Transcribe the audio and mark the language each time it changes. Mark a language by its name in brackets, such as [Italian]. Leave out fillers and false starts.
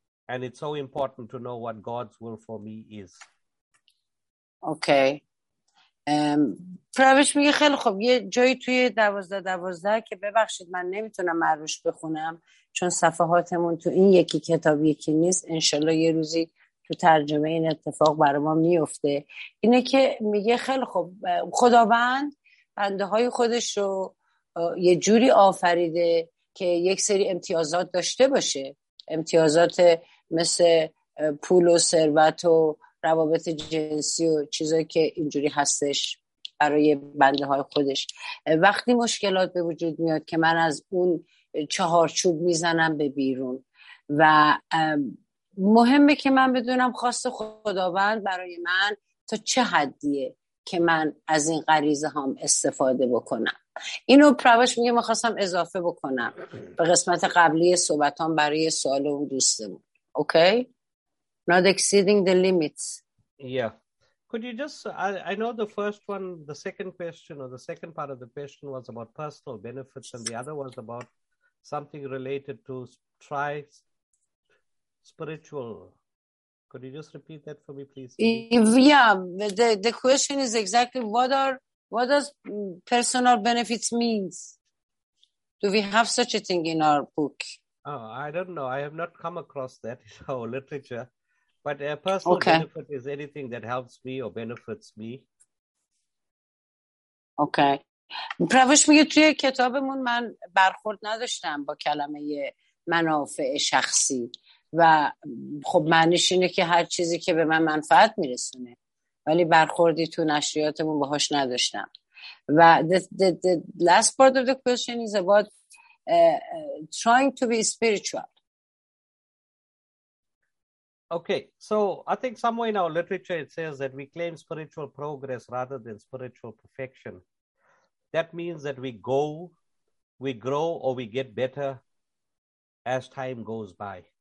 [English] And it's so important to know what God's will for me is. Okay. [Persian] پرویش میگه خیلی خوب یه جایی توی 12-12 که ببخشید من نمیتونم معروش بخونم چون صفحاتمون تو این یکی کتاب یکی نیست انشالله یه روزی تو ترجمه این اتفاق برای ما میفته اینه که میگه خیلی خوب خداوند بنده های خودش رو یه جوری آفریده که یک سری امتیازات داشته باشه امتیازات مثل پول و ثروت و روابط جنسی و چیزایی که اینجوری هستش برای بنده های خودش وقتی مشکلات به وجود میاد که من از اون چهارچوب میزنم به بیرون و مهمه که من بدونم خاص خداوند برای من تا چه حدیه که من از این غریزه هام استفاده بکنم اینو پرواش میگه میخواستم اضافه بکنم به قسمت قبلی صحبتام برای سوال اون دوستمون اوکی؟ [English] Not exceeding the limits. Yeah. Could you just... I know the first one, the second question or the second part of the question was about personal benefits and the other was about something related to try spiritual. Could you just repeat that for me, please? Yeah. The question is exactly what does personal benefits means? Do we have such a thing in our book? Oh, I don't know. I have not come across that in our literature. But a personal benefit is anything that helps me or benefits me. Okay. [Persian] پروش میگه توی کتابمون من برخورد نداشتم با کلمه منافع شخصی و خب معنیش اینه که هر چیزی که به من منفعت میرسونه ولی برخوردی تو نشریاتمون باهاش نداشتم و [English] the last part of the question is about trying to be spiritual. Okay, so I think somewhere in our literature it says that we claim spiritual progress rather than spiritual perfection. That means that we go, we grow, or we get better as time goes by.